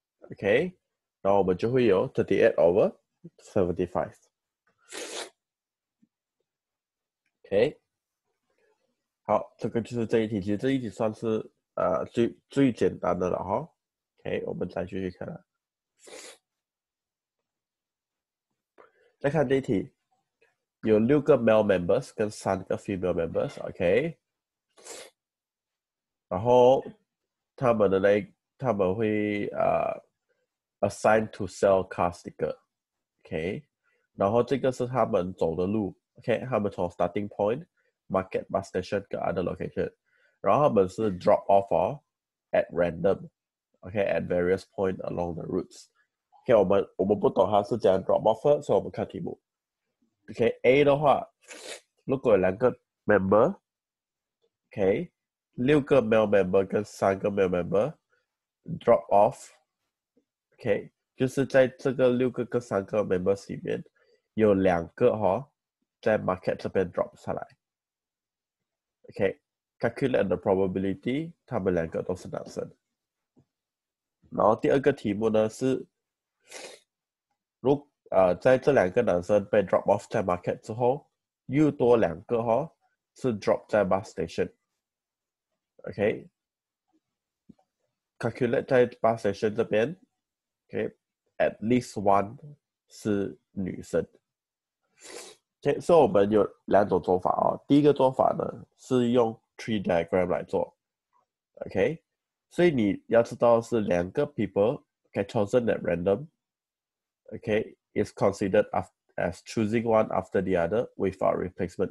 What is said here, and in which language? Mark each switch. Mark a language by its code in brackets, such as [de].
[zh] OK， 然后我们就会有 38/75。 OK， 好，这个就是这一题，其实这一题算是最简单的了哈。 OK， 我们再继续看了。再看这一题，有六个 male members 跟三个 female members， OK， 然后他们的那他们会 [en] assigned to sell car sticker， [zh] OK， 然后这个是他们走的路， OK， 他们从 starting point market bus station 跟 other location， 然后他们是 [en] drop off at random， [zh] OK， [en] at various point along the routes。 [zh] OK， 我们不懂它是怎样 drop off， 所以我们看题目。OK，A 的话，如果有两个 member，OK，六个 male member 跟三个 male member drop off，OK，就是在这个六个跟三个 members 里面，有两个哈在 market 这边 drop 下来。 OK， [en] calculate the probability， [zh] 他们两个都是男生。然后第二个题目呢是。如在这两个男生被 drop off 在 market 之后，又多两个哈是 drop 在 bus station。 OK，calculate 在 bus station 这边 ，OK， [en] at least one [zh] 是女生。 OK， 所以我们有两种做法啊、哦。第一个做法呢是用 tree diagram 来做。 [en] OK， [zh] 所以你要知道是两个 [en] people get chosen at random。 Okay, is considered as choosing one after the other without replacement.